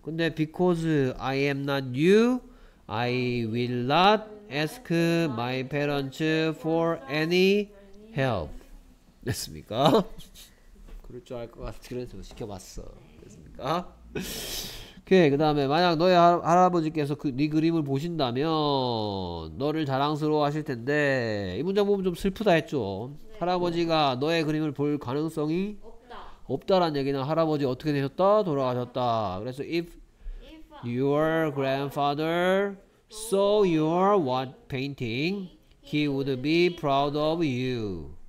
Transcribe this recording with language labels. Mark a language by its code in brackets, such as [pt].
[ko] 근데 [en] because I am not you, I will not ask my parents for any help. [ko] 됐습니까? 그럴 줄 알 것 같아서 그런 식으로 시켜봤어. 됐습니까? 오케이. 그 다음에 만약 너의 할아버지께서 그 네 그림을 보신다면 너를 자랑스러워 하실 텐데 이 문장 보면 좀 슬프다 했죠. 할아버지가 너의 그림을 볼 가능성이 없다라는 얘기는 할아버지 어떻게 되셨다? 돌아가셨다. 그래서 [en] if your grandfather saw your what painting, he would be proud of you.